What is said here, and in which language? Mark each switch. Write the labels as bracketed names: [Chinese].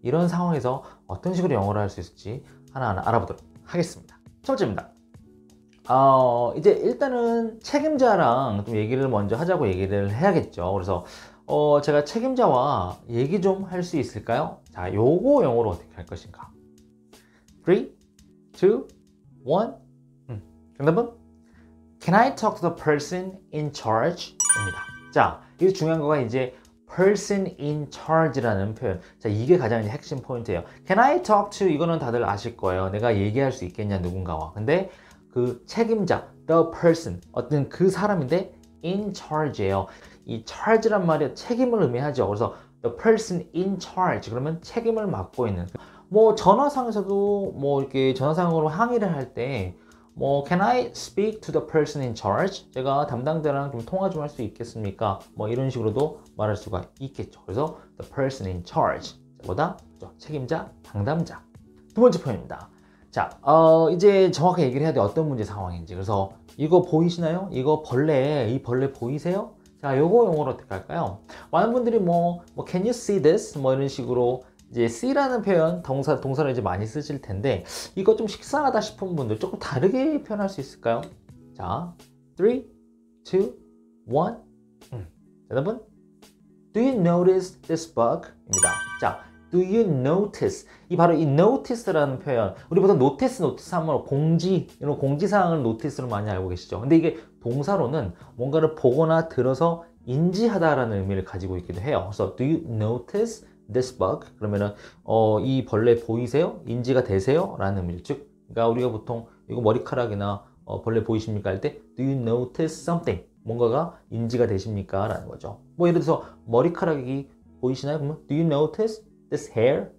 [Korean] 이런 상황에서 어떤 식으로 영어를 할수 있을지 하나하나 알아보도록 하겠습니다. 첫 번째입니다. 이제 일단은 책임자랑 좀 얘기를 먼저 하자고 얘기를 해야겠죠. 그래서 제가 책임자와 얘기 좀할수 있을까요? 자, 요거 영어로 어떻게 할 것인가? 3, 2, 1. 정답은 [English] Can I talk to the person in charge? [Korean] 입니다. 자, 여기서 중요한 거가 이제 person in charge라는 표현. 자, 이게 가장 핵심 포인트예요. [English] Can I talk to? [Korean] 이거는 다들 아실 거예요. 내가 얘기할 수 있겠냐, 누군가와. 근데 그 책임자, the person, 어떤 그 사람인데 in charge예요. 이 charge란 말이 책임을 의미하죠. 그래서 the person in charge 그러면 책임을 맡고 있는. 뭐 전화상에서도 뭐 이렇게 전화상으로 항의를 할때뭐 [English] can I speak to the person in charge? [Korean] 제가 담당자랑 좀 통화 좀할수 있겠습니까? 뭐 이런 식으로도 말할 수가 있겠죠. 그래서 the person in charge 뭐다? 그렇죠? 책임자, 담당자. 두 번째 표현입니다. 자, 이제 정확히 얘기를 해야 돼. 어떤 문제 상황인지. 그래서 이거 보이시나요? 이거 벌레, 이 벌레 보이세요? 자, 요거 영어로 어떻게 할까요? 많은 분들이 뭐, [English] can you see this? [Korean] 뭐 이런 식으로 이제 see라는 표현, 동사를 이제 많이 쓰실 텐데, 이거 좀 식상하다 싶은 분들 조금 다르게 표현할 수 있을까요? 자, 3, 2, 1. 여러분, [English] do you notice this bug? [Korean] 입니다. 자, [English] do you notice? [Korean] 이 바로 이 notice라는 표현. 우리 보통 notice, notice 하면 공지, 이런 공지사항을 notice로 많이 알고 계시죠. 근데 이게 동사로는 뭔가를 보거나 들어서 인지하다라는 의미를 가지고 있기도 해요. 그래서 [English] do you notice this bug? [Korean] 그러면은 이 벌레 보이세요? 인지가 되세요? 라는 의미죠. 즉, 그러니까 우리가 보통 이거 머리카락이나 벌레 보이십니까? 할 때, [English] do you notice something? [Korean] 뭔가가 인지가 되십니까? 라는 거죠. 뭐 예를 들어서 머리카락이 보이시나요? 그러면 [English] do you notice this hair?